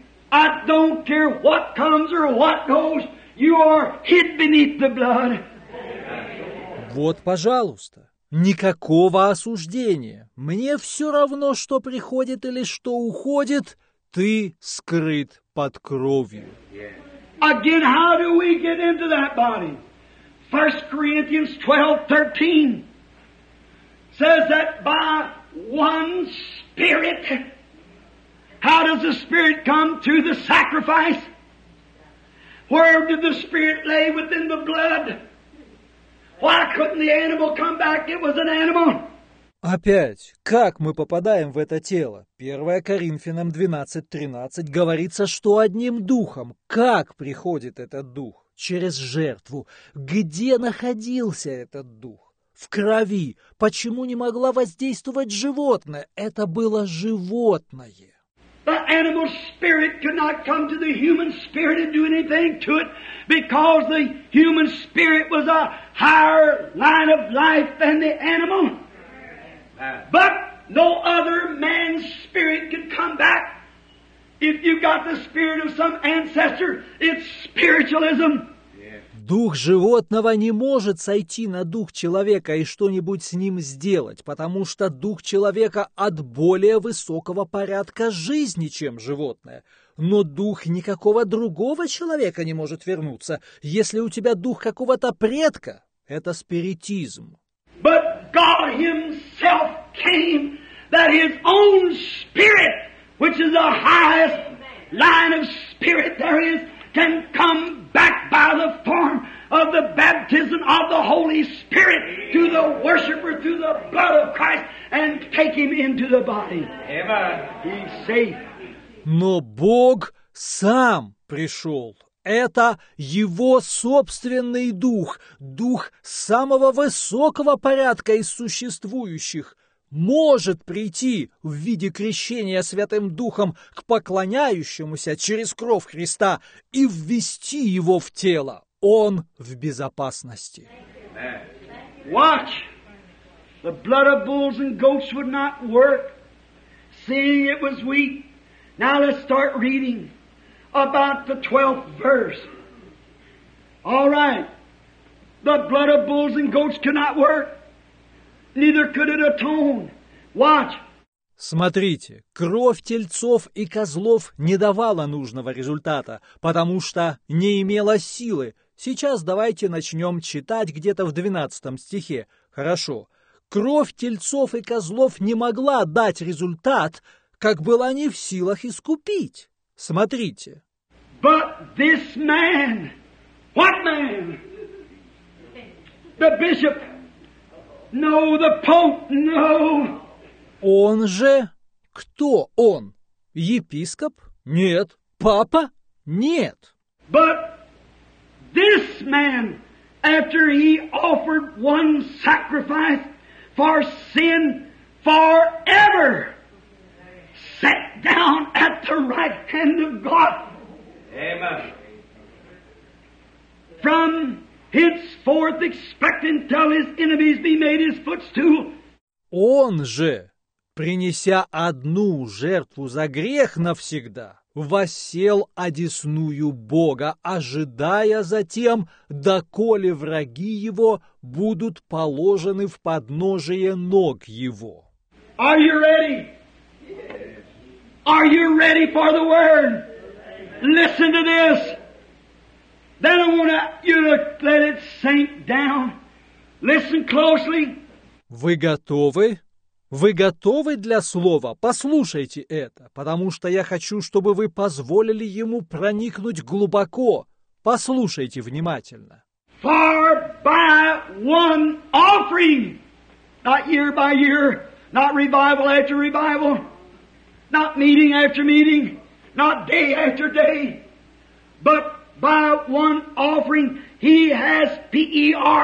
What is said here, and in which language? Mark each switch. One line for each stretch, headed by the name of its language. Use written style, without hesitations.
English: I don't care what comes or what goes, you are hid beneath the blood.
Russian: Вот, пожалуйста. Никакого осуждения. Мне все равно, что приходит или что уходит. Ты скрыт под кровью.
English: Again, how do we get into that body? 1 Corinthians 12:13 says that by one spirit. How does the spirit come? Through the sacrifice. Where did the spirit lay? Within the blood. Why couldn't the animal come back? It was an animal.
Russian: Опять, как мы попадаем в это тело? 1 Коринфянам 12:13 говорится, что одним духом. Как приходит этот дух? Через жертву. Где находился этот дух? В крови. Почему не могла воздействовать животное? Это было животное.
English: The animal spirit could not come to the human spirit and do anything to it, because the human spirit was a higher line of life than the animal. But no other man's spirit could come back. If you got the spirit of some ancestor, it's spiritualism.
Russian: Дух животного не может сойти на дух человека и что-нибудь с ним сделать, потому что дух человека от более высокого порядка жизни, чем животное. Но дух никакого другого человека не может вернуться. Если у тебя дух какого-то предка, это спиритизм.
English: But God himself came, that his own spirit, which is the highest line of spirit there is, can come back by the form of the baptism of the Holy Spirit to the worshiper through the blood of Christ and take him into the body. Amen. He's safe.
Russian: Но Бог сам пришел. Это его собственный дух, дух самого высокого порядка из существующих, может прийти в виде крещения Святым Духом к поклоняющемуся через кровь Христа и ввести его в тело. Он в безопасности.
English: Watch! The blood of bulls and goats would not work, seeing it was weak. Now let's start reading about the 12th verse. All right. The blood of bulls and goats cannot work. Neither could it atone. Watch.
Russian: Смотрите, кровь тельцов и козлов не давала нужного результата, потому что не имела силы. Сейчас давайте начнем читать где-то в 12 стихе. Хорошо. Кровь тельцов и козлов не могла дать результат, как была не в силах искупить. Смотрите.
English: But this man, what man? The bishop? No, the pope, no.
Russian: Он же... Кто он? Епископ? Нет. Папа? Нет.
English: But this man, after he offered one sacrifice for sin forever, sat down at the right hand of God. Amen. From henceforth expecting till his enemies be made his footstool.
Russian: Он же, принеся одну жертву за грех навсегда, воссел одесную Бога, ожидая затем, доколе враги его будут положены в подножие ног его.
English: Are you ready? Are you ready for the word? Listen to this. Then I want you to let it sink down. Listen closely.
Russian: Вы готовы? Вы готовы для слова? Послушайте это, потому что я хочу, чтобы вы позволили ему проникнуть глубоко. Послушайте внимательно.
English: For by one offering, not year by year, not revival after revival, not meeting after meeting, not day after day, but by one offering, he has perfected.